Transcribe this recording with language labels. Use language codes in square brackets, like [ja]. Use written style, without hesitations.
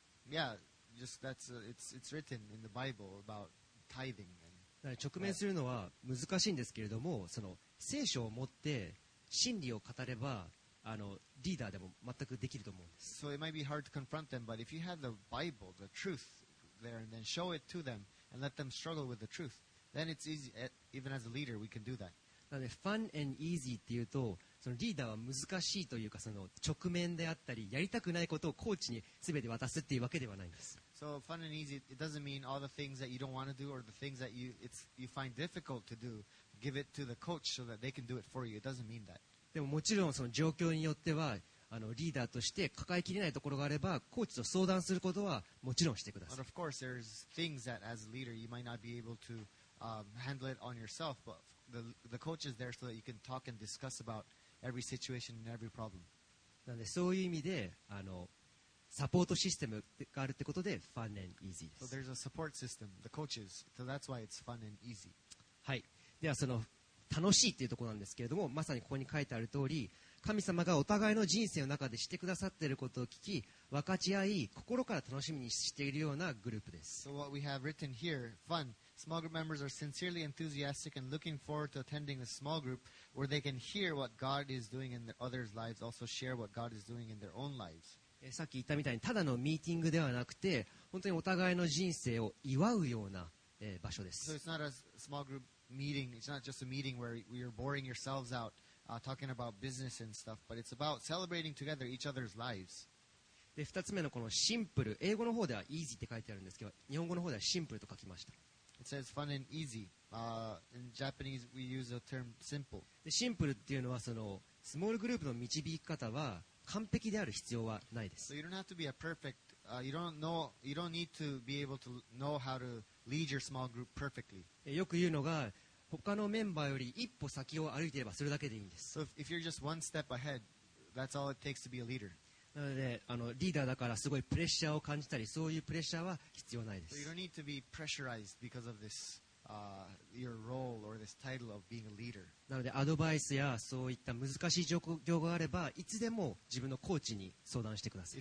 [en] Yeah, just that's it's written in the Bible about tithing. [ja] 直面するのは難しいんですけれども、その聖書を持って真理を語ればあのリーダーでも全くできると思うんです。 [en] So it might be hard to confront them, but if you have the Bible, the truth there, and then show it to them and let them struggle with the truth. Then it's easy. Even as a leader, we can do that. [ja] なので、 [en] fun and easy [ja] っていうと、そのリーダーは難しいというか、その直面であったり、やりたくないことをコーチにすべて渡すっていうわけではないんです。 [en] So fun and easy, it doesn't mean all the things that you don't want to do or the things that you find difficult to do, give it to the coach so that they can do it for you. It doesn't mean that. [ja] でももちろんその状況によっては、あのリーダーとして抱えきれないところがあればコーチと相談することはもちろんしてください。 [en] But of course, there's things that as a leader you might not be able toHandle it on yourself, but the coach is there so that you can talk and discuss about every situation and every problem. [ja] なのでそういう意味であのサポートシステムがあるってことで [en] fun and easy [ja] です。 [en] So there's a support system, the coaches, so that's why it's fun and easy. [ja] はい。ではその楽しいっていうところなんですけれども、まさにここに書いてある通り、神様がお互いの人生の中でしてくださっていることを聞き、分かち合い、心から楽しみにしているようなグループです。 [en] So what we have written here, fun. Small group members are sincerely enthusiastic and looking forward to attending a small group where they can hear what God is doing in others' lives, also share what God is doing in their own lives. [ja] さっき言ったみたいに、ただのミーティングではなくて、本当にお互いの人生を祝うような、場所です。 [en] So it's not a small group meeting, it's not just a meeting where you're boring yourselves out, talking about business and stuff, but it's about celebrating together each other's lives. [ja] で、二つ目のこのシンプル、英語の方では easy って書いてあるんですけど、日本語の方ではシンプルと書きました。 [en] It says fun and easy. In Japanese, we use the term simple. [ja] で、シンプルっていうのはそのスモールグループの導き方は完璧である必要はないです。 [en] So you don't have to be a perfect. You don't need to be able to know how to lead your small group perfectly. [ja] よく言うのが他のメンバーより一歩先を歩いていればそれだけでいいんです。 [en] So if you're just one step ahead, that's all it takes to be a leader. [ja] なのであのリーダーだからすごいプレッシャーを感じたり、そういうプレッシャーは必要ないです。 [en] So you don't need to be pressurized because of this, your role or this title of being a leader. [ja] なのでアドバイスやそういった難しい状況があればいつでも自分のコーチに相談してください。